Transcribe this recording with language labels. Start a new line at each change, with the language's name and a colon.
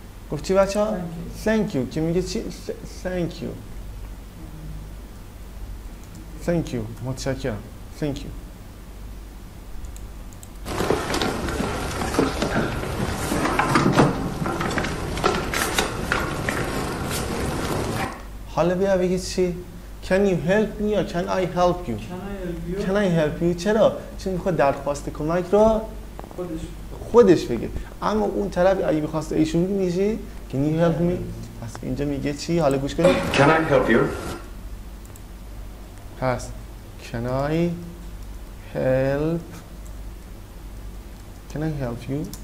Persian: گفتی بچه ها؟
English: Thank you.
Persian: که میگه چی؟ Thank you.
English: Thank you.
Persian: متشکرم.
English: Thank you.
Persian: حالا بیا بگید چی؟
English: Can you help me or can I help you? Can I help you? Can I help you?
Persian: چرا؟ چون میخواد درخواست کمک رو خودش بگه. اما اون طرف اگه میخواست ایشون بگه میشه
English: Can you help me?
Persian: پس اینجا میگه چی؟ حالا گوش کنید.
English: Can I help you?
Persian: پس
English: Can I help? Can I help you?